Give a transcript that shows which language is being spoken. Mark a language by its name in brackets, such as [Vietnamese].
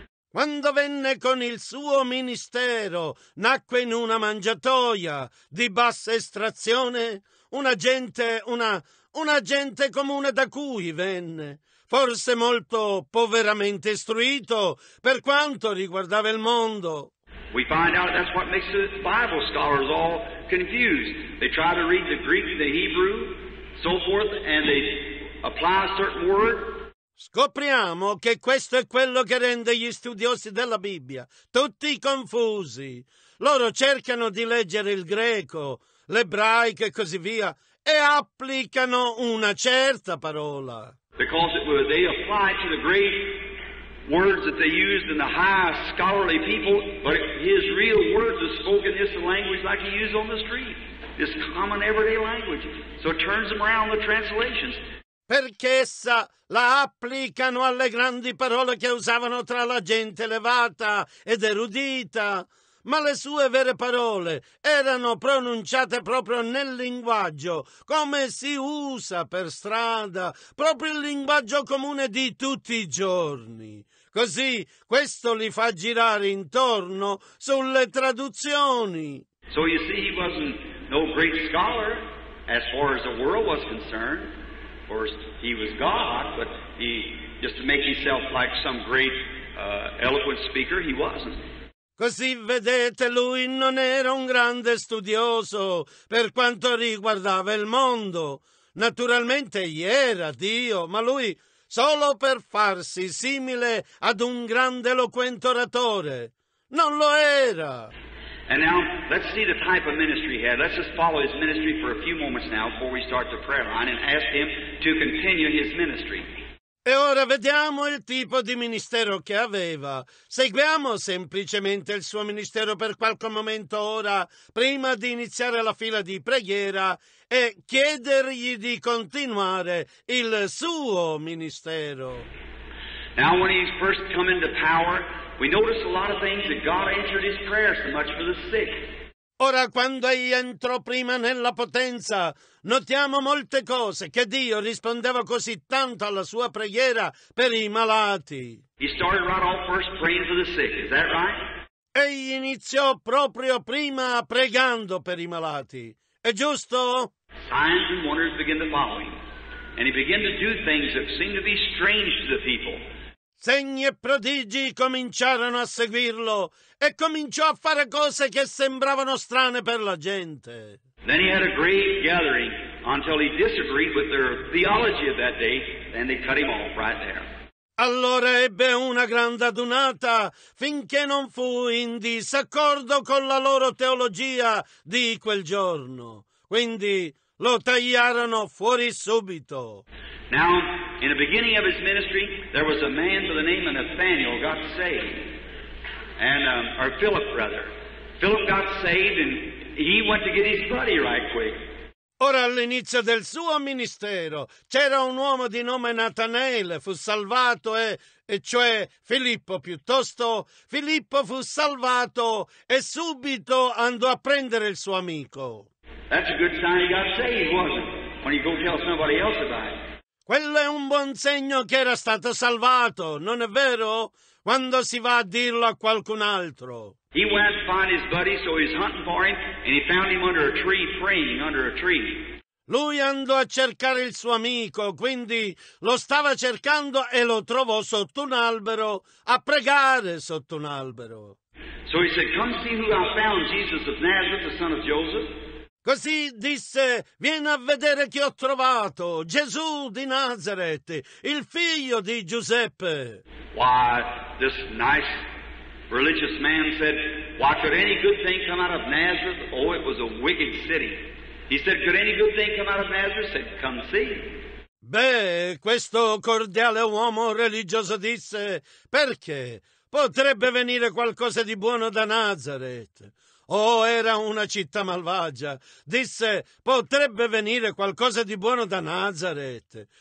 [Italian] Quando venne con il suo ministero, nacque in una mangiatoia di bassa estrazione una gente comune da cui venne, forse molto poveramente istruito per quanto riguardava il mondo. [English] We find out that's what makes the Bible scholars all confused. They try to read the Greek, the Hebrew, so forth, and they apply a certain word. [Italian] Scopriamo che questo è quello che rende gli studiosi della Bibbia tutti confusi. Loro cercano di leggere il greco, l'ebraico e così via, e applicano una certa parola. [English] Because it was, they apply to the great words that they used in the high scholarly people, but his real words are spoken in the language like he used on the street, this common everyday language. So it turns them around the translations. [Italian] Perché essa la applicano alle grandi parole che usavano tra la gente elevata ed erudita, ma le sue vere parole erano pronunciate proprio nel linguaggio, come si usa per strada, proprio il linguaggio comune di tutti i giorni. Così questo li fa girare intorno sulle traduzioni. [English] So you see, he wasn't no great scholar as far as the world was concerned. Of course, he was God, but he, just to make himself like some great eloquent speaker, he wasn't. [Italian] Così vedete, lui non era un grande studioso per quanto riguardava il mondo. Naturalmente egli era Dio, ma lui solo per farsi simile ad un grande eloquente oratore. Non lo era. [English] And now, let's see the type of ministry he had. Let's just follow his ministry for a few moments now before we start the prayer line and ask him to continue his ministry. [Italian] E ora vediamo il tipo di ministero che aveva. Seguiamo semplicemente il suo ministero per qualche momento ora, prima di iniziare la fila di preghiera e chiedergli di continuare il suo ministero. [English] Now when he's first come into power, we notice a lot of things that God answered his prayer so much for the sick. [Italian] Ora, quando egli entrò prima nella potenza, notiamo molte cose che Dio rispondeva così tanto alla sua preghiera per i malati. [English] He started right off first praying for the sick, is that right? [Italian] Egli iniziò proprio prima pregando per i malati, è giusto? [English] Signs and wonders began to follow him, and he began to do things that seemed to be strange to the people. [Italian] Segni e prodigi cominciarono a seguirlo e cominciò a fare cose che sembravano strane per la gente. [English] Then he had a great gathering until he disagreed with their theology of that day, and they cut him off right there. [Italian] Allora ebbe una grande adunata finché non fu in disaccordo con la loro teologia di quel giorno. Quindi lo tagliarono fuori subito. [English] Now, in the beginning of his ministry, there was a man by the name of Nathanael got saved, and or Philip rather. Philip got saved, and he went to get his buddy right quick. [Italian] Ora all'inizio del suo ministero c'era un uomo di nome Nathanael, fu salvato e cioè Filippo piuttosto. Filippo fu salvato e subito andò a prendere il suo amico. [English] That's a good sign he got saved, wasn't it? When you go tell somebody else about it. [Italian] Quello è un buon segno che era stato salvato, non è vero? Quando si va a dirlo a qualcun altro. [English] He went to find his buddy, so he's hunting for him, and he found him under a tree, praying under a tree. [Italian] Lui andò a cercare il suo amico, quindi lo stava cercando e lo trovò sotto un albero, a pregare sotto un albero. [English] So he said, come see who I found, Jesus of Nazareth, the son of Joseph. [Italian] Così disse, vieni a vedere chi ho trovato, Gesù di Nazareth, il figlio di Giuseppe. [English] Why, this nice religious man said, why could any good thing come out of Nazareth? Oh, it was a wicked city. He said, could any good thing come out of Nazareth? He said, come see. [Italian] Beh, questo cordiale uomo religioso disse, perché potrebbe venire qualcosa di buono da Nazareth? Oh, era una città malvagia. Disse, potrebbe venire qualcosa di buono da Nazareth.